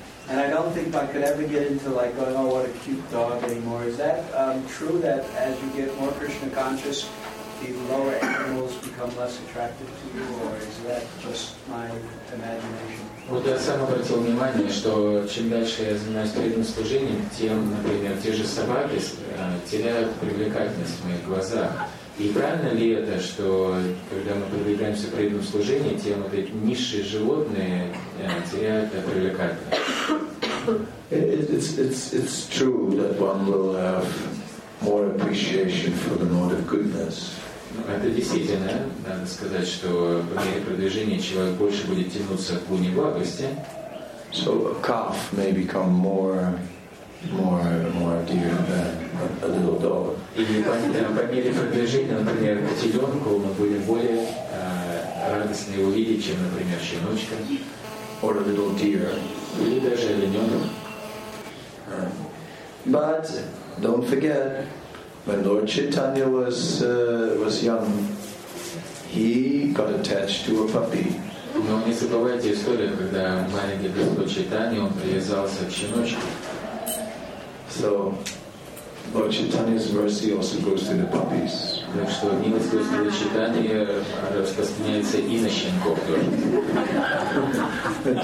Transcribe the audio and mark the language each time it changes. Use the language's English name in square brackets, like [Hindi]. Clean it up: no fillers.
[English] And I don't think I could ever get into like going, oh, what a cute dog anymore. Is that true that as you get more Krishna conscious, the lower animals become less attractive to you, or is that just my imagination? [Russian] Вот я сам обратил внимание, что чем дальше я занимаюсь преданным служением, тем, например, те же собаки теряют привлекательность в моих глазах. И правильно ли это, что когда мы продвигаемся к преданному служению, те вот эти низшие животные теряют привлекательность? [English] It's true that one will have more appreciation for the mode of goodness. [Russian] Это действительно, надо сказать, что по мере продвижения человек больше будет тянуться к гуне благости. [English] So a calf may become more dear than a little dog. [Russian] И по мере продвижения, например, котенку мы будем более радостны увидеть, чем, например, щеночка. [English] Or a little deer. [Russian] Или даже олененок. [English] But don't forget, when Lord Chaitanya was young, he got attached to a puppy. [Russian] Но не забывайте историю, когда маленький Господь Чайтанья, он привязался к щеночке. [English] So, Lord Chaitanya's mercy also goes to the puppies. [Russian] Так что милость Господа Чайтанья распространяется и на щенков тоже.